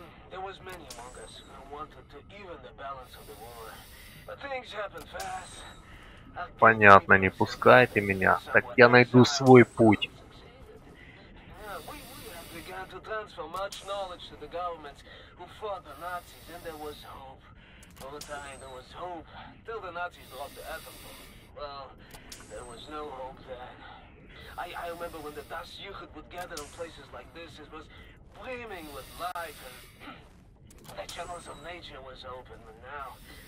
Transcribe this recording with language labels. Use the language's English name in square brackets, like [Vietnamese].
[English] There was many among us who wanted to even the balance of the war, but things happened fast. [Russian] Понятно, не пускайте меня, так я найду свой путь. [English] We have begun to transfer much knowledge to the governments who fought the Nazis, and there was hope. All the time there was hope, till the Nazis dropped the atom bomb. Well, there was no hope then. I remember when the Das Yuchid would gather in places like this, it was brimming with life, and the channels of nature was open, but now...